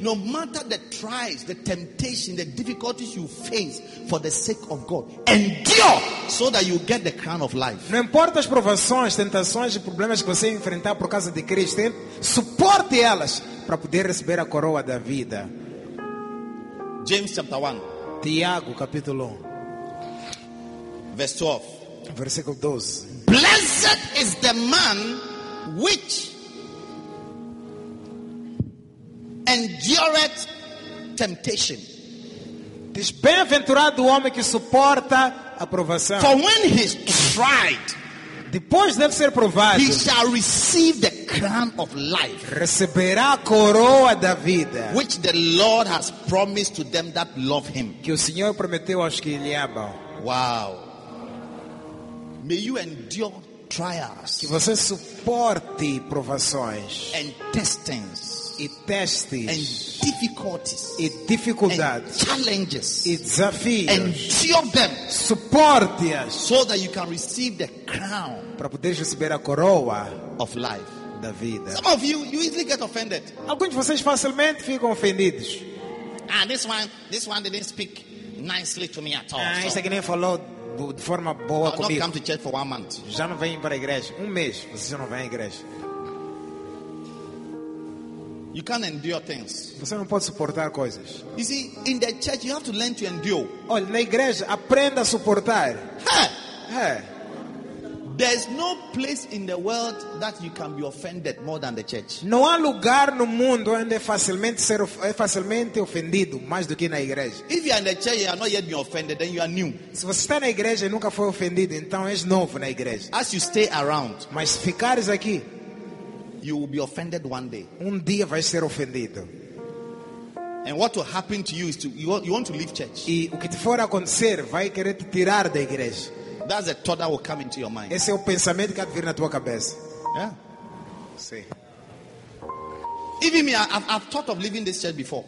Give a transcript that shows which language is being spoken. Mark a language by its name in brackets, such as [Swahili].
[English] No matter the trials, the temptation, the difficulties you face for the sake of God, endure so that you get the crown of life. [Portuguese] Não importa as provações, tentações e problemas que você enfrentar por causa de Cristo, suporte elas para poder receber a coroa da vida. [English] James chapter 1. [Portuguese] Tiago capítulo 1. [English] Verse 12. [Portuguese] Versículo 12. [English] Blessed is the man which endureth temptation. [Portuguese] Diz, bem-aventurado o homem que suporta a provação. [English] For when he's tried, [Portuguese] depois de ser provado, [English] he shall receive the crown of life, [Portuguese] receberá a coroa da vida, [English] which the Lord has promised to them that love him. [Portuguese] Que o Senhor prometeu aos que lhe amam. [English] Wow. May you endure trials. [Portuguese] Que você suporte provações. [English] And testings. [Portuguese] E testes, [English] and difficulties, [Portuguese] e dificuldades, [English] and challenges, [Portuguese] e desafios, [English] endure them, [Portuguese] suporte-as, [English] so that you can receive the crown, [Portuguese] para poder receber a coroa [English] of life, [Portuguese] da vida. [English] Some of you easily get offended. [Portuguese] Alguns de vocês facilmente ficam ofendidos. [English] Ah, this one didn't speak nicely to me at all. [Portuguese] Ah, esse aqui nem falou de forma boa comigo. [English] I've not come to church for 1 month. [Portuguese] Já não vem para a igreja. 1 mês, vocês já não vêm à igreja. [English] You can't endure things. [Portuguese] Você não pode suportar coisas. [English] You see, in the church, you have to learn to endure. [Portuguese] Olha, na igreja, aprenda a suportar. [English] Hey. There's no place in the world that you can be offended more than the church. [Portuguese] Não há lugar no mundo onde facilmente ofendido mais do que na igreja. [English] If you are in the church and not yet been offended, then you are new. [Portuguese] Se você está na igreja e nunca foi ofendido, então és novo na igreja. [English] As you stay around, [Portuguese] mas ficares aqui, [English] you will be offended one day. [Portuguese] Um dia vai ser ofendido. [English] And what will happen to you is to you want to leave church. [Portuguese] E o que te for acontecer vai querer te tirar da igreja. [English] That's a thought that will come into your mind. [Portuguese] Esse é o pensamento que vai vir na tua cabeça. [English] Yeah. See. Even me, I've thought of leaving this church before.